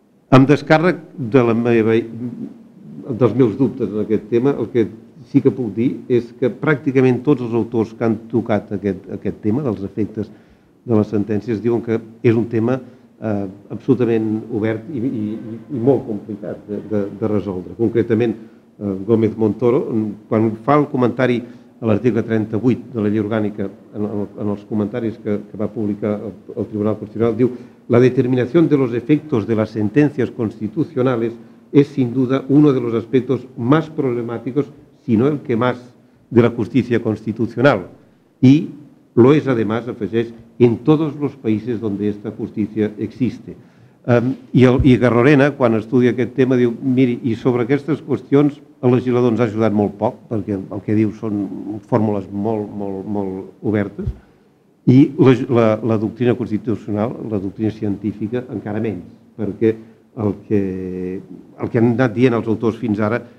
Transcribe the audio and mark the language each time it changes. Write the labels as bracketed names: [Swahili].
[Catalan] Amb descàrrec dels meus dubtes en aquest tema, el que sí que puc dir és que pràcticament tots els autors que han tocat aquest tema dels efectes de les sentències diuen que és un tema absolutament obert i molt complicat de resoldre. Concretament, Gómez Montoro, quan fa el comentari a l'article 38 de la llei orgànica, en els comentaris que va publicar el Tribunal Constitucional, diu: [Spanish] la determinación de los efectos de las sentencias constitucionales es sin duda uno de los aspectos más problemáticos, si no el que más, de la justicia constitucional. Y lo es además, [Catalan] afegeix, [Spanish] en todos los países donde esta justicia existe. [Catalan] I Garrorena, quan estudia aquest tema, diu: miri, i sobre aquestes qüestions el legislador ens ha ajudat molt poc, perquè el que diu són fórmules molt, molt, molt obertes, i la doctrina constitucional, la doctrina científica, encara menys, perquè el que han anat dient els autors fins ara